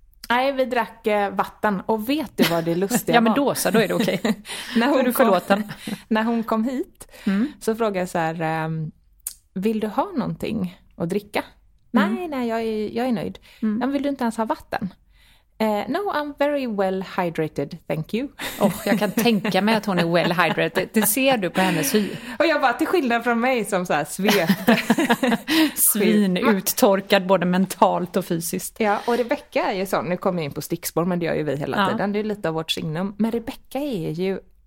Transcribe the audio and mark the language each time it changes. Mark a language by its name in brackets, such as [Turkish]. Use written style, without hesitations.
[Swedish] Nej, vi drack vatten. Och vet du vad det lustiga ja, men då så, då är det okej. Okay. När hon kom hit, mm, så frågade jag så här, vill du ha någonting att dricka? Mm. Nej, jag är nöjd. Mm. Men vill du inte ens ha vatten? [English] No, I'm very well hydrated, thank you. [Swedish] Oh, jag kan tänka mig att hon är [English] well hydrated. [Swedish] Det ser du på hennes hy. Och jag bara, till skillnad från mig som så här svet. Svin, uttorkad både mentalt och fysiskt. Ja, och Rebecca är ju sån. Nu kommer jag in på stickspår, men det gör ju vi hela tiden. Ja. Det är lite av vårt signum. Men Rebecca är ju